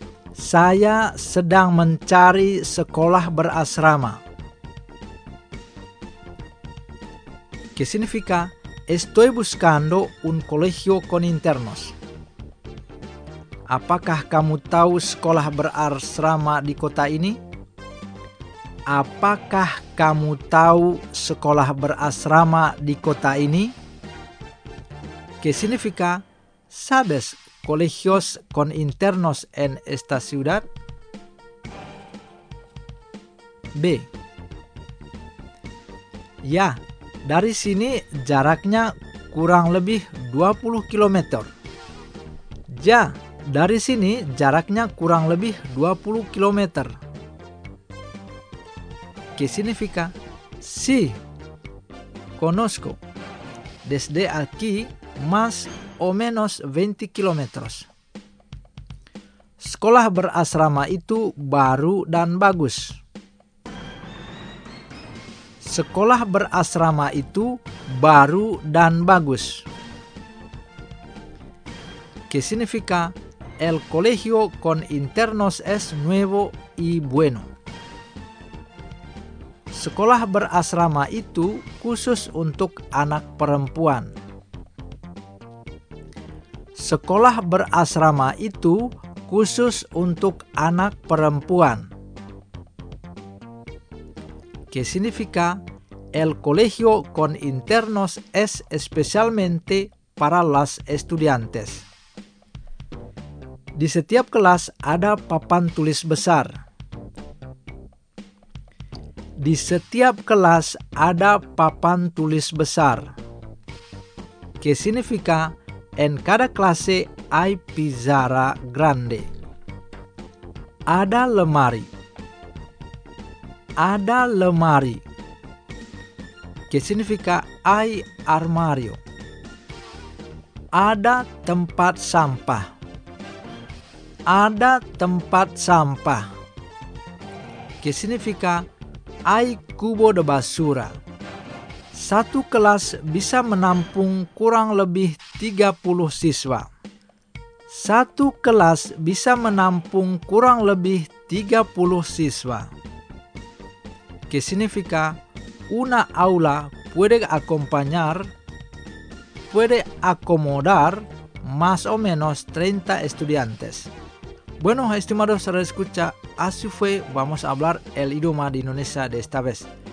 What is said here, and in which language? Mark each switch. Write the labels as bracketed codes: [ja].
[id] Saya sedang mencari sekolah berasrama. [es] Que significa estoy buscando un colegio con internos. [id] Apakah kamu tahu sekolah berasrama di kota ini? Apakah kamu tahu sekolah berasrama di kota ini? [es] Que significa sabes colegios con internos en esta ciudad? B. [id] Ya, dari sini jaraknya kurang lebih 20 km. Ya, dari sini jaraknya kurang lebih 20 km. [es] Que significa sí, conozco. Desde aquí más o menos 20 km. [id] Sekolah berasrama itu baru dan bagus. Sekolah berasrama itu baru dan bagus. [es] Que significa el colegio con internos es nuevo y bueno. [id] Sekolah berasrama itu khusus untuk anak perempuan. Sekolah berasrama itu khusus untuk anak perempuan. [es] Que significa? El colegio con internos es especialmente para las estudiantes. [id] Di setiap kelas ada papan tulis besar. Di setiap kelas ada papan tulis besar. [es] Que significa? En cada clase hay pizarra grande. [id] Ada lemari. Ada lemari. [es] Que significa hay armario. [id] Ada tempat sampah. Ada tempat sampah. [es] Que significa hay cubo de basura. [id] Satu kelas bisa menampung kurang lebih 30 siswa. Satu kelas bisa menampung kurang lebih 30 siswa. [es] Que significa una aula puede acomodar más o menos 30 estudiantes. Bueno, estimados, escucha, así fue, vamos a hablar el idioma de Indonesia de esta vez.